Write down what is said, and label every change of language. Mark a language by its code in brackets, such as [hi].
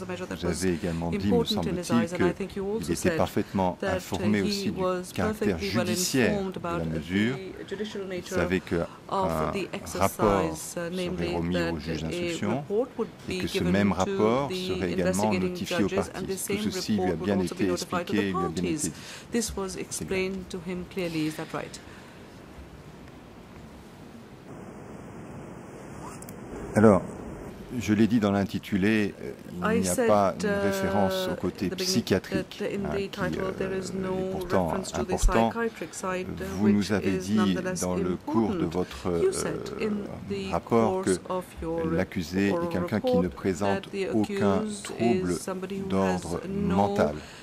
[fr] Vous avez également dit, me semble-t-il, qu'il était parfaitement informé aussi du caractère judiciaire de la mesure. Vous savez qu'un rapport serait remis au juge d'instruction et que ce même rapport serait également notifié aux parties. Tout ceci lui a bien été expliqué, lui a bien été dit. [en] This was explained to him clearly, is that right? [fr] Alors, je l'ai dit dans l'intitulé, il n'y a pas une référence au côté psychiatrique, qui est pourtant important. Vous nous avez dit dans le cours de votre rapport que l'accusé est quelqu'un qui ne présente aucun trouble d'ordre mental.